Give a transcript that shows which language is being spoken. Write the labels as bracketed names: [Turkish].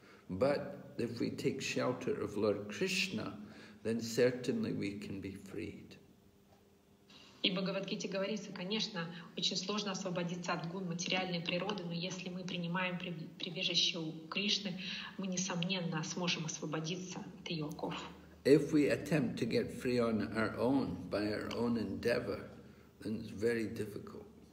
[English] But if we take shelter of Lord Krishna, then certainly we can be freed. [Russian] И в Бхагавад-гите говорится, конечно, очень сложно освободиться от гун материальной природы, но если мы принимаем прибежище у Кришны, мы, несомненно, сможем освободиться от ее оков. [English] If we attempt to get free on our own, by our own endeavor, then it's very difficult.